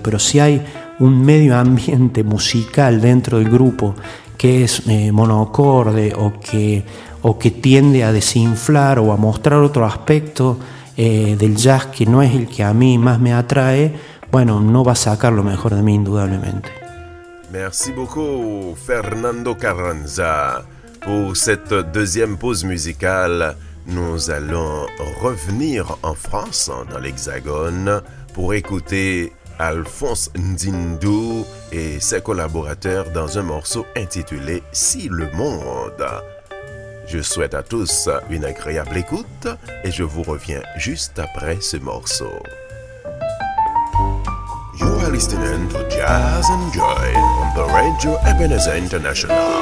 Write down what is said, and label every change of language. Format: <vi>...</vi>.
<es>Pero si hay un medio ambiente musical dentro del grupo que es monocorde o que tiende a desinflar o a mostrar otro aspecto del jazz que no es el que a mí más me atrae, bueno, no va a sacar lo mejor de mí, indudablemente.</es> <fr>Merci beaucoup, Fernando Carranza. Pour cette deuxième pause musicale, nous allons revenir en France, dans l'Hexagone, pour écouter Alphonse Ndindou et ses collaborateurs dans un morceau intitulé « Si le monde ». Je souhaite à tous une agréable écoute et je vous reviens juste après ce morceau.</fr> <en>You are listening to Jazz and Joy on the Radio Ebenezer International.</en>